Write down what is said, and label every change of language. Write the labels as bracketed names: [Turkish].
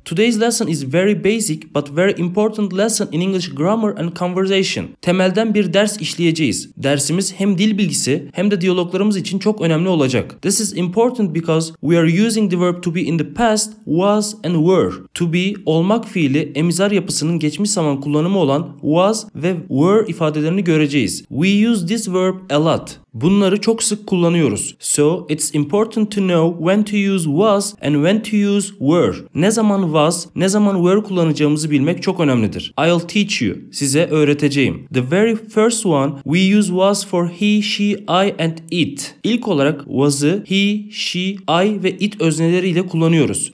[English] Today's lesson is very basic but very important lesson in English grammar and conversation. [Turkish] Temelden bir ders işleyeceğiz. Dersimiz hem dil bilgisi hem de diyaloglarımız için çok önemli olacak. [English] This is important because we are using the verb to be in the past, was and were. To be, [Turkish] olmak fiili emizar yapısının geçmiş zaman kullanımı olan was ve were ifadelerini göreceğiz. [English] We use this verb a lot. [Turkish] Bunları çok sık kullanıyoruz. [English] So, it's important to know when to use was and when to use were. [Turkish] Ne zaman was, ne zaman were kullanacağımızı bilmek çok önemlidir. [English] I'll teach you. [Turkish] Size öğreteceğim. [English] The very first one, we use was for he, she, I and it. [Turkish] İlk olarak was'ı he, she, I ve it özneleriyle kullanıyoruz.